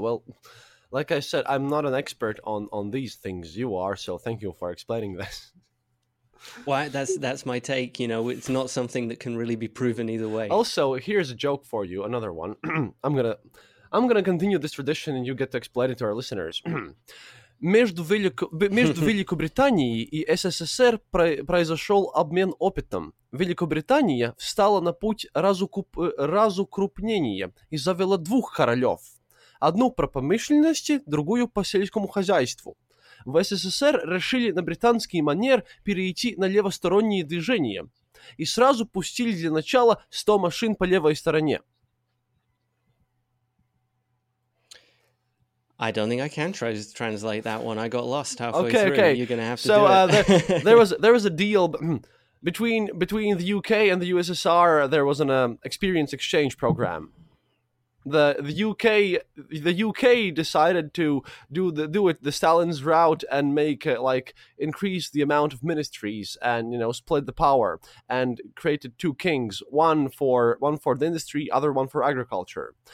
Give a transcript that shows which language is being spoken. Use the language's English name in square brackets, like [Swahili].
[English] Well, like I said, I'm not an expert on these things. You are, so thank you for explaining this. Well, that's my take. You know, it's not something that can really be proven either way. Also, here's a joke for you, another one. I'm gonna continue this tradition and you get to explain it to our listeners. [Russian] Между Великобританией и СССР произошел обмен опытом. Великобритания встала на путь разукрупнения и завела двух королев. Одну про промышленности, другую по сельскому хозяйству. В СССР решили на британский манер перейти на левосторонние движения и сразу пустили для начала 100 машин по левой стороне. [English] I don't think I can translate that one. I got lost halfway okay, through. Okay. You're going to have to so, do it. So there was a deal between the UK and the USSR. There was an experience exchange program. The UK decided to do it the Stalin's route and make like increase the amount of ministries and, you know, split the power and created two kings, one for the industry, other one for agriculture.